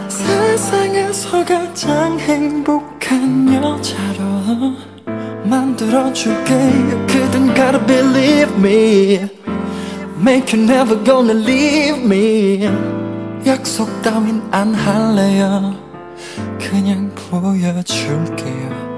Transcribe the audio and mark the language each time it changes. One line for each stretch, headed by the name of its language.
Korean: 세상에서 가장 행복한 여자로 만들어줄게.
English: 그댄 gotta believe me, make you never gonna leave me.
Korean: 약속 따윈 안 할래요, 그냥 보여줄게요.